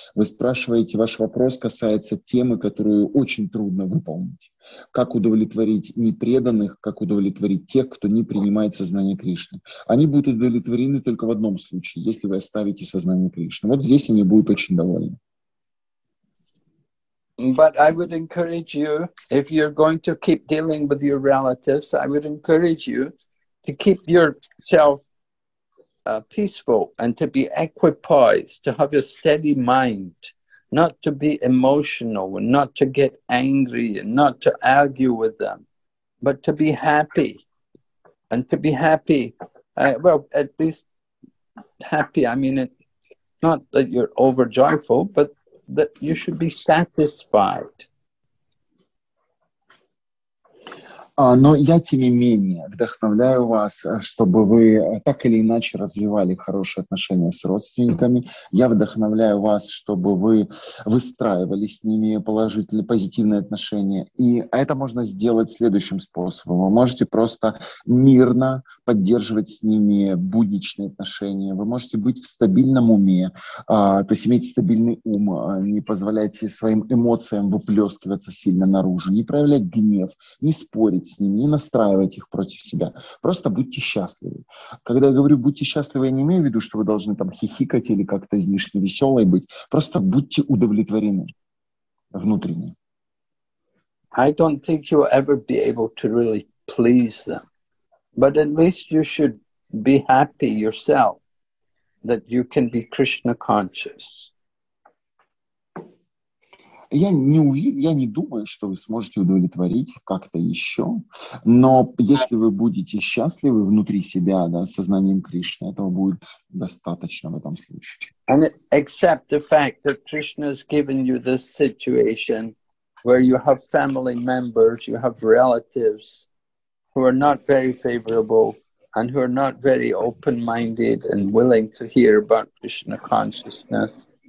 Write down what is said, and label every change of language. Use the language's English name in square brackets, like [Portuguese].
[Russian] Вы спрашиваете, ваш вопрос касается темы, которую очень трудно выполнить. Как удовлетворить непреданных, как удовлетворить тех, кто не принимает сознание Кришны. Они будут удовлетворены только в одном случае, если вы оставите сознание Кришны. Вот здесь они будут очень довольны. [English] But I would encourage you, if you're going to keep dealing with your relatives, I would encourage you to keep yourself peaceful and to be equipoised, to have a steady mind, not to be emotional, not to get angry, and not to argue with them, but to be happy. And to be happy, well, at least happy, I mean, it, not that you're overjoyful, but that you should be satisfied. [Russian] Но я, тем не менее, вдохновляю вас, чтобы вы так или иначе развивали хорошие отношения с родственниками. Я вдохновляю вас, чтобы вы выстраивали с ними положительные, позитивные отношения. И это можно сделать следующим способом. Вы можете просто мирно поддерживать с ними будничные отношения. Вы можете быть в стабильном уме, то есть иметь стабильный ум, не позволять своим эмоциям выплескиваться сильно наружу, не проявлять гнев, не спорить с ними, не настраивать их против себя. Просто будьте счастливы. Когда я говорю «будьте счастливы», я не имею в виду, что вы должны там хихикать или как-то излишне веселой быть. Просто будьте удовлетворены внутренне. [English] I don't think you'll ever be able to really please them. But at least you should be happy yourself that you can be Krishna conscious. [Russian] Я не думаю, что вы сможете удовлетворить как-то еще, но если вы будете счастливы внутри себя, да, сознанием Кришны, этого будет достаточно в этом случае. [English] And accept the fact that Krishna has given you this situation where you have family members, you have relatives who are not very favorable and who are not very open-minded and willing to hear about Krishna consciousness.